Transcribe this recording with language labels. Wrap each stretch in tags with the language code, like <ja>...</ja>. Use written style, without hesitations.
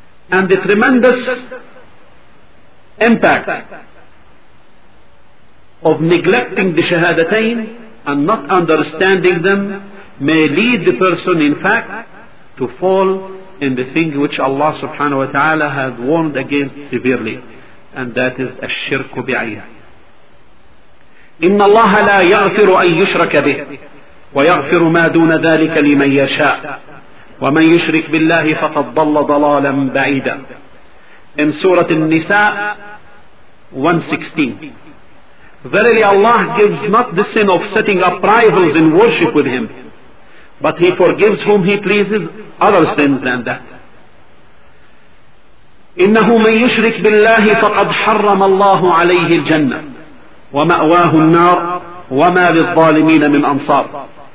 <en>And the tremendous impact of neglecting the shahadatain and not understanding them may lead the person in fact to fall in the thing which Allah subhanahu wa ta'ala has warned against severely, and that is</en> <ar>الشرك بعيه. إن الله لا يغفر أن يشرك به ويغفر ما دون ذلك لمن يشاء ومن يشرك بالله فقد ضل ضلالا بعيدا.</ar> <en>In Surah An-Nisa 116, verily Allah gives not the sin of setting up rivals in worship with Him, but He forgives whom He pleases other sins than that.</en> <ar>إِنَّهُ مَنْ يُشْرِكْ بِاللَّهِ فَقَدْ حَرَّمَ اللَّهُ عَلَيْهِ الْجَنَّةِ وَمَأْوَاهُ النَّارِ وَمَا لِلظَّالِمِينَ مِنْ أَنصَارِ.</ar>